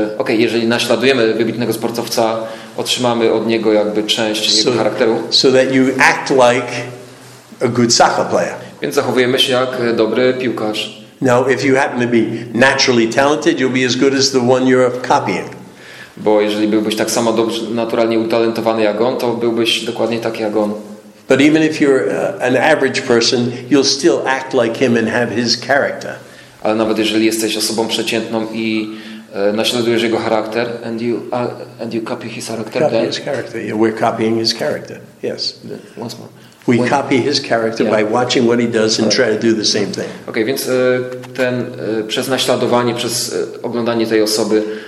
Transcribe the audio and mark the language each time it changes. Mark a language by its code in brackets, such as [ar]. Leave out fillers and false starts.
[pl] Okay, jeżeli naśladujemy wybitnego sportowca, otrzymamy od niego jakby część jego charakteru. [en] So that you act like a good soccer player. [pl] Więc zachowujemy się jak dobry piłkarz. [en] Now, if you happen to be naturally talented, you'll be as good as the one you're copying. [pl] Bo jeżeli byłbyś tak samo dobrze, naturalnie utalentowany jak on, to byłbyś dokładnie tak jak on. [en] But even if you're an average person, you'll still act like him and have his character. [pl] Ale nawet jeżeli jesteś osobą przeciętną i naśladujesz jego charakter, [en] and you copy his character. Copy his character. Yeah, we're copying his character. Yes. Once more. Copy his character, yeah, by watching what he does and try to do the same thing. [pl] Okay, więc ten przez naśladowanie, przez oglądanie tej osoby